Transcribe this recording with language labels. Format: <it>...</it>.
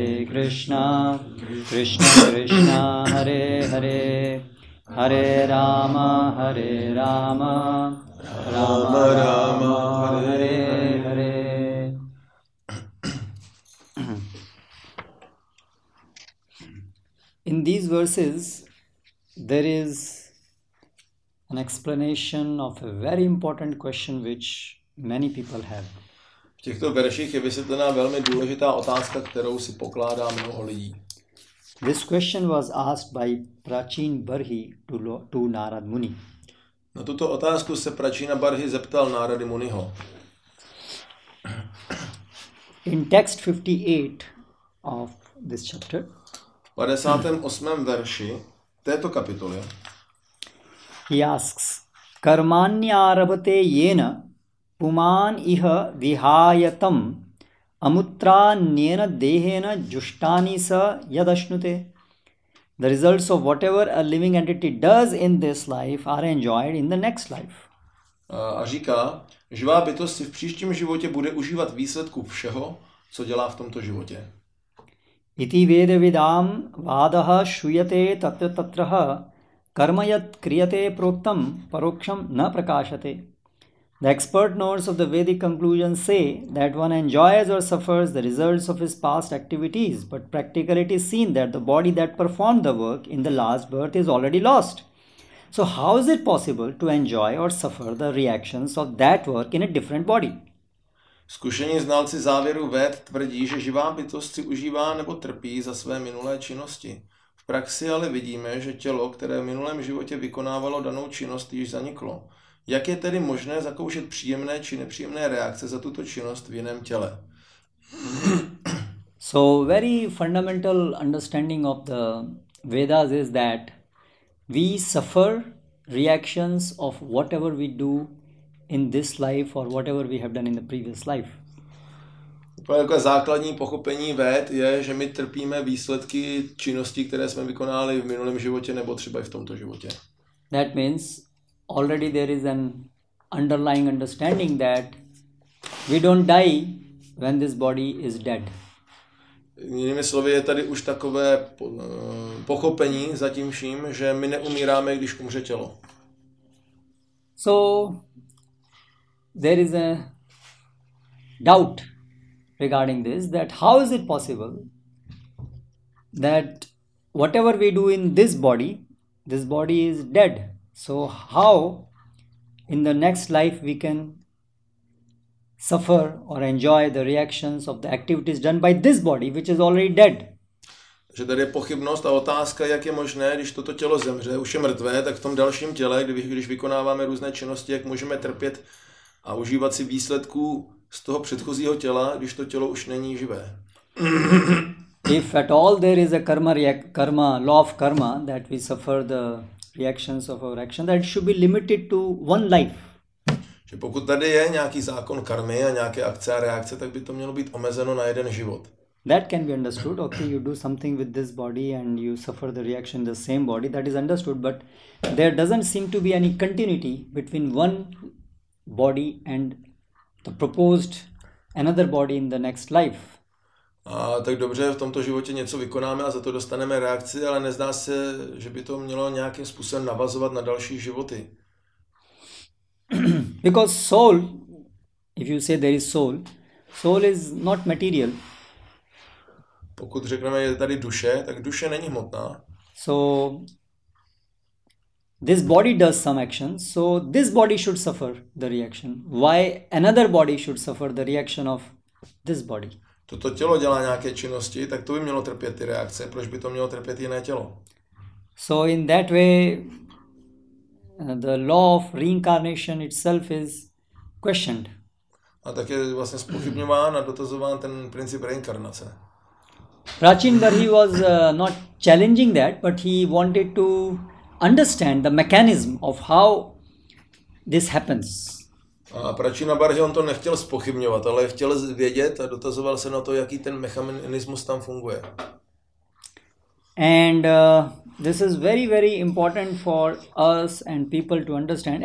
<sa>Krishna Krishna Hare Hare</sa> <en>Hare Rama Rama Rama Hare Hare In these verses, there is an explanation of a very important question which many people have.</en> <cs>V těchto verších je vysvětlena velmi důležitá otázka, kterou si pokládá mnoho lidí.</cs> <en>This question was asked by Prachin Barhi to Narad Muni.</en> <cs>Na tuto otázku se Prachina Barhi zeptal Narady Muniho.</cs> <en>In text 58 of this chapter.</en> <cs>V 58. verši této kapitoly.</cs> <en>He asks,</en> <sa>karmanyarabhate yena puman iha vihayatam amutra nena dehena jushtani sa yadashnute.</sa> <en>The results of whatever a living entity does in this life are enjoyed in the next life.</en> <cs>A říká, živá bytost si v příštím životě bude užívat výsledku všeho, co dělá v tomto životě.</cs> <sa>Iti vedavidam vadaha shuyate tatra tatraha Karmayat kriyate proktam paroksham na prakashate.</sa> <en>The expert notes of the Vedic conclusion say that one enjoys or suffers the results of his past activities, but practically it is seen that the body that performed the work in the last birth is already lost. So how is it possible to enjoy or suffer the reactions of that work in a different body?</en> <cs>Zkušení znalci závěru Ved tvrdí, že živá bytost si užívá nebo trpí za své minulé činnosti. V praxi ale vidíme, že tělo, které v minulém životě vykonávalo danou činnost, již zaniklo. Jak je tedy možné zakoušet příjemné či nepříjemné reakce za tuto činnost v jiném těle?</cs> <en>So very fundamental understanding of the Vedas is that we suffer reactions of whatever we do in this life or whatever we have done in the previous life.</en> <cs>Takové základní pochopení ved je, že my trpíme výsledky činností, které jsme vykonali v minulém životě nebo třeba i v tomto životě.</cs> <en>That means already there is an underlying understanding that we don't die when this body is dead.</en> <cs>Jinými slovy, je tady už takové pochopení za tím vším, že my neumíráme, když umře tělo.</cs> <en>So there is a doubt regarding this, that how is it possible that whatever we do in this body is dead. So how in the next life we can suffer or enjoy the reactions of the activities done by this body, which is already dead.</en> <cs>Že tady je pochybnost a otázka, jak je možné, když toto tělo zemře, už je mrtvé, tak v tom dalším těle, když vykonáváme různé činnosti, jak můžeme trpět a užívat si výsledků z toho předchozího těla, když to tělo už není živé.</cs> <en>If at all there is a karma, law of karma, that we suffer the reactions of our action, that should be limited to one life.</en> <cs>Že pokud tady je nějaký zákon karmy a nějaké akce a reakce, tak by to mělo být omezeno na jeden život.</cs> <en>That can be understood. Okay, you do something with this body and you suffer the reaction in the same body. That is understood. But there doesn't seem to be any continuity between one body and the proposed another body in the next life.</en> <cs>A tak dobře, v tomto životě něco vykonáme a za to dostaneme reakci, ale nezdá se, že by to mělo nějakým způsobem navazovat na další životy.</cs> <en>Because soul, if you say there is soul, soul is not material.</en> <cs>Pokud řekneme, je tady duše, tak duše není hmotná.</cs> <en>So this body does some action, so this body should suffer the reaction. Why another body should suffer the reaction of this body?</en> <cs>Toto tělo dělá nějaké činnosti, tak to by mělo trpět ty reakce, proč by to mělo trpět jiné tělo?</cs> <en>So in that way the law of reincarnation itself is questioned.</en> <cs>A tak je vlastně zpochybňován a dotazován ten princip reinkarnace.</cs> <en>Prachin Garhi was not challenging that, but he wanted to understand the mechanism of how this happens.</en> <cs>A Prachina Barhi, on to nechtěl spochybňovat, ale chtěl vědět a dotazoval se na to, jaký ten mechanismus tam funguje.</cs> <en>And this is very, very important for us and people to understand.</en>